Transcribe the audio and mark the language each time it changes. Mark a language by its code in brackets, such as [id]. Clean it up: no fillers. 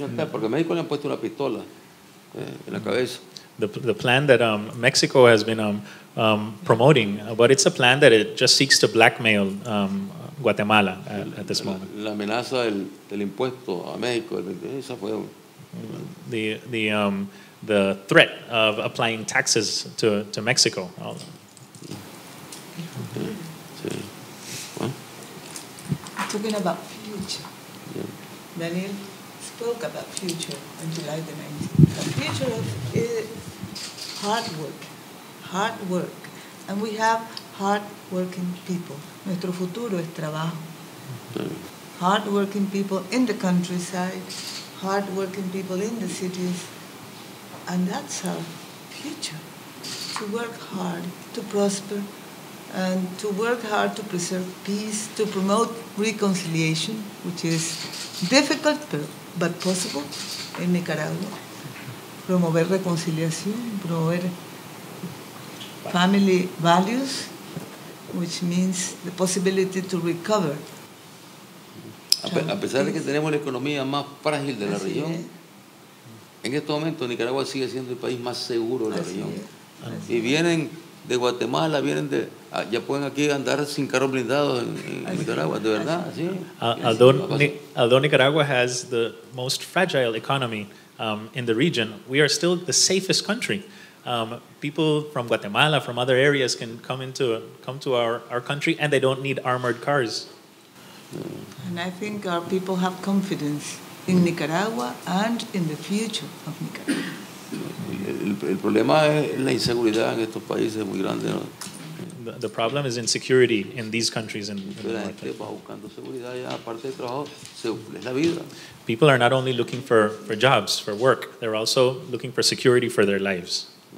[es] Porque México le han puesto una pistola en la cabeza. [en] The plan that Mexico has been promoting, but it's a plan that it just seeks to blackmail Guatemala at this moment. [es] La amenaza del impuesto a México, esa fue [en] the threat of applying taxes to Mexico. Okay. [es] Sí. [en] Talking about future, Daniel spoke about future on July the 19th. The future is hard work, and we have hard-working people. [es] Nuestro futuro es trabajo. [en] Hard-working people in the countryside, hard-working people in the cities, and that's our future, to work hard, to prosper, and to work hard to preserve peace, to promote reconciliation, which is difficult, but possible in Nicaragua. [es] Promover reconciliación, promover [en] family values, which means the possibility to recover. [es] A pesar de que tenemos la economía más frágil de la región, en este momento Nicaragua sigue siendo el país más seguro de la región. Y vienen de Guatemala, vienen de... ya pueden aquí andar sin carros blindados en Nicaragua, de verdad. [en] Although Nicaragua has the most fragile economy in the region, we are still the safest country. People from Guatemala, from other areas, can come to our country, and they don't need armored cars. And I think our people have confidence in Nicaragua and in the future of Nicaragua. [es] El problema es la inseguridad en estos países muy grande, ¿no? [en] The problem is insecurity in these countries. [es] Buscando seguridad, aparte de trabajo, es la vida. [en] people are not only looking for jobs, for work, they're also looking for security for their lives.